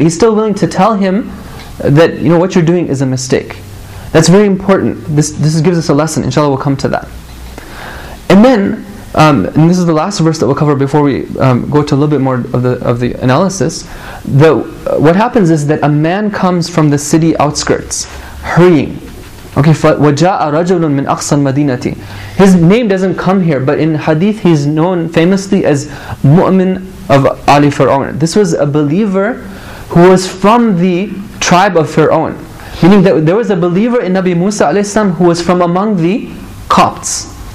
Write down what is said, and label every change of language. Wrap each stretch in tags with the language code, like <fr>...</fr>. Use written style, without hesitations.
<en>He's still willing to tell him that, you know, what you're doing is a mistake. That's very important. This gives us a lesson. Inshallah, we'll come to that. And then, and this is the last verse that we'll cover before we go to a little bit more of the analysis. What happens is that a man comes from the city outskirts, hurrying.</en> <ar>Okay, وَجَاءَ رَجُلٌ مِنْ أَقْصَى الْمَدِينَةِ.</ar> <en>His name doesn't come here, but in hadith he's known famously as Mu'min of Ali Fir'aun. This was a believer who was from the tribe of Fir'aun. Meaning that there was a believer in Nabi Musa alayhi salam who was from among the Copts.</en>